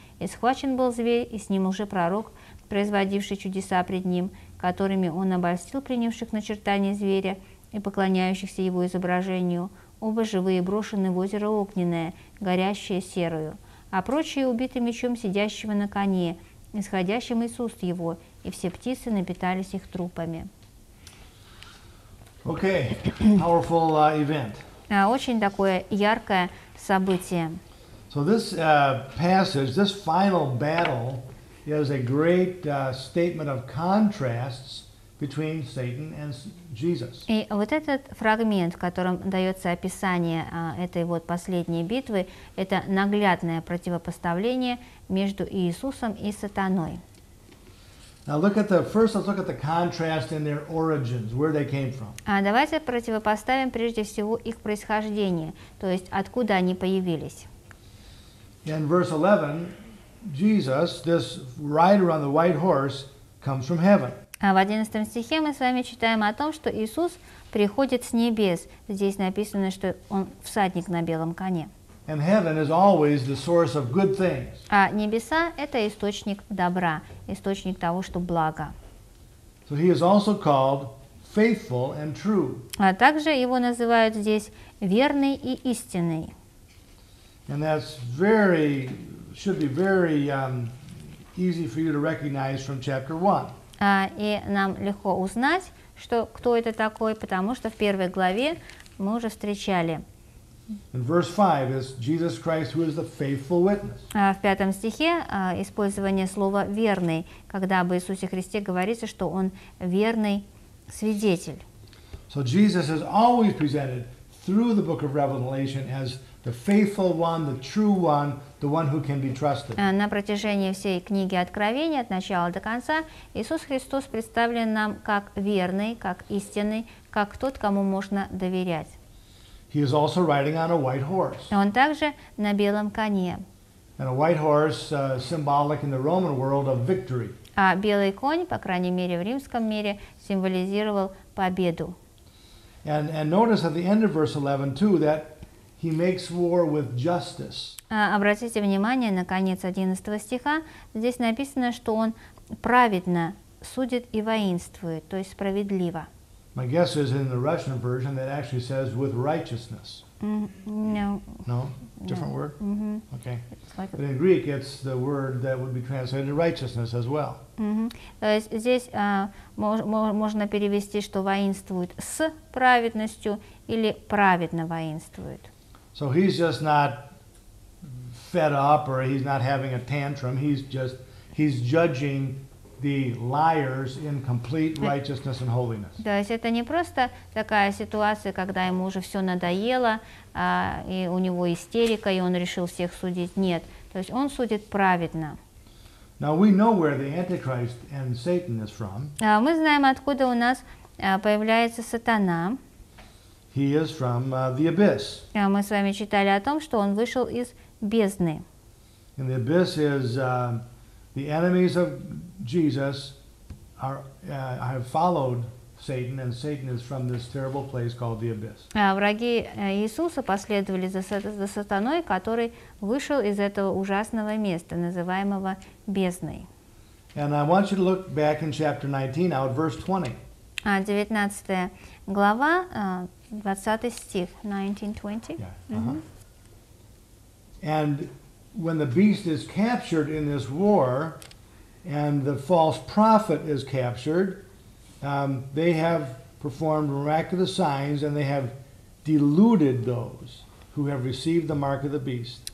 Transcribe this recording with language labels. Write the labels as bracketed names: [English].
[Russian] И схвачен был зверь, и с ним уже пророк, производивший чудеса пред ним, которыми он обольстил принявших начертание зверя и поклоняющихся его изображению, оба живые брошены в озеро огненное, горящее серою, а прочие убиты мечом сидящего на коне, исходящим из уст его, и все птицы напитались их трупами. [English] Okay. Powerful, event. [Russian] Очень такое яркое событие. [English] So this passage, this final battle, is a great statement of contrasts between Satan and Jesus. [Russian] И вот этот фрагмент, в котором дается описание этой вот последней битвы, это наглядное противопоставление между Иисусом и Сатаной. [English] Now look at the first. Let's look at the contrast in their origins, where they came from. [Russian] Давайте противопоставим прежде всего их происхождение, то есть откуда они появились. [English] In verse 11, Jesus, this rider on the white horse, comes from heaven. [Russian] В 11 стихе мы с вами читаем о том, что Иисус приходит с небес. Здесь написано, что он всадник на белом коне. [English] And heaven is always the source of good things. [Russian] А небеса – это источник добра, источник того, что благо. [English] So he is also called faithful and true. [Russian] А также его называют здесь верный и истинный. [English] And that's very should be very easy for you to recognize from chapter 1. [Russian] И нам легко узнать, что кто это такой, потому что в первой главе мы уже встречали. [English] In verse 5 is Jesus Christ, who is the faithful witness. [Russian] В пятом стихе использование слова верный, когда об Иисусе Христе говорится, что он верный свидетель. [English] So Jesus is always presented through the book of Revelation as the faithful one, the true one, the one who can be trusted. [Russian] На протяжении всей книги Откровения, от начала до конца, Иисус Христос представлен нам как верный, как истинный, как тот, кому можно доверять. [English] He is also riding on a white horse. [Russian] Он также на белом коне. [English] And a white horse, symbolic in the Roman world of victory. [Russian] А белый конь, по крайней мере, в римском мире, символизировал победу. [English] And notice at the end of verse 11, too, that He makes war with justice. [Russian] Обратите внимание на конец 11 стиха. Здесь написано, что он праведно судит и воинствует, то есть справедливо. [English] My guess is in the Russian version that actually says with righteousness. No, different word. Mm-hmm. Okay. Like But in Greek, it's the word that would be translated righteousness as well. [Russian] То есть здесь можно перевести, что воинствует с праведностью или праведно воинствует. [English] So he's just not fed up, or he's not having a tantrum. He's judging the liars in complete righteousness and holiness. [Russian] То есть это не просто такая ситуация, когда ему уже все надоело, и у него истерика, и он решил всех судить. Нет, то есть он судит праведно. [English] Now we know where the Antichrist and Satan is from. [Russian] Мы знаем, откуда у нас появляется сатана. [English] He is from the abyss. [Russian] Мы с вами читали о том, что он вышел из бездны. [English] And the abyss is the enemies of Jesus I have followed Satan, and Satan is from this terrible place called the abyss. [Russian] Враги Иисуса последовали за сатаной, который вышел из этого ужасного места, называемого бездной. [English] And I want you to look back in chapter 19, out verse 20. [Russian] 19 глава, 20 стих, 19:20. [English] And when the beast is captured in this war, and the false prophet is captured, they have performed miraculous signs, and they have deluded those who have received the mark of the beast.